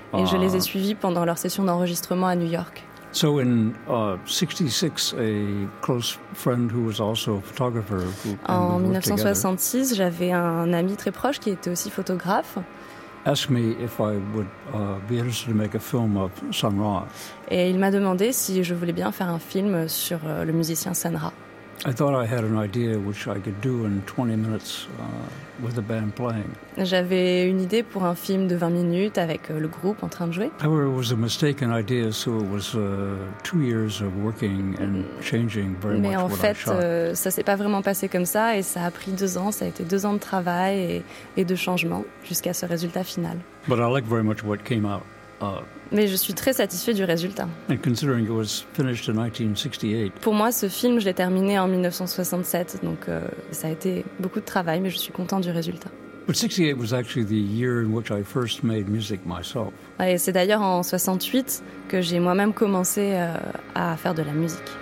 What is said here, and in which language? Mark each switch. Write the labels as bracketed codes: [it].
[fr] Et je les ai suivis pendant leurs sessions d'enregistrement à New York. [en] So in 66, a close friend who was also a photographer. [fr] En 1966, j'avais un ami très proche qui était aussi photographe. [en] Asked me if I would be interested to make a film of Sun Ra. [fr] Et il m'a demandé si je voulais bien faire un film sur le musicien Sun Ra. [en] I thought I had an idea which I could do in 20 minutes with the band playing. [fr] J'avais une idée pour un film de 20 minutes avec le groupe en train de jouer. [en] However, it was a mistaken idea, so it was 2 years of working and changing very much. [fr] Mais en fait, [en] what I shot. [fr] Ça s'est pas vraiment passé comme ça, et ça a pris 2 ans. Ça a été 2 ans de travail et de changement jusqu'à ce résultat final. [en] But I like very much what came out. [fr] Mais je suis très satisfait du résultat. [en] And considering it was finished in 1968. [fr] Pour moi, ce film, je l'ai terminé en 1967, donc ça a été beaucoup de travail, mais je suis content du résultat. [en] But 68 was actually the year in which I first made music myself. [fr] Et c'est d'ailleurs en 68 que j'ai moi-même commencé à faire de la musique.